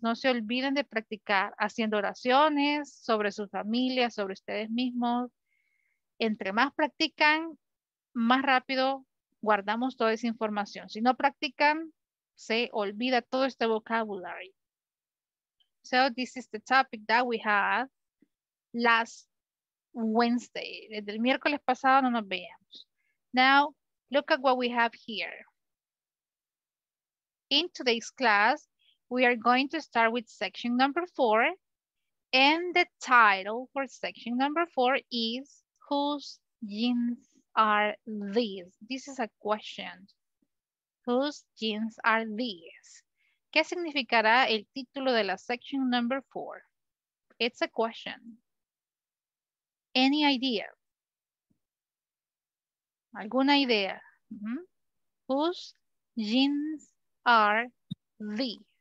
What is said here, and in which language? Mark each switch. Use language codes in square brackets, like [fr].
[es] No se olviden de practicar haciendo oraciones sobre su familia, sobre ustedes mismos. Entre más practican, más rápido guardamos toda esa información. Si no practican, se olvida todo este vocabulary. [en] So this is the topic that we had last Wednesday. [es] Desde el miércoles pasado no nos veíamos. [en] Now, look at what we have here. In today's class, we are going to start with section number 4. And the title for section number 4 is, whose jeans are these? This is a question. Whose jeans are these? [es] ¿Qué significará el título de la section number 4? [en] It's a question. Any idea? [es] ¿Alguna idea? [en] Whose jeans are these?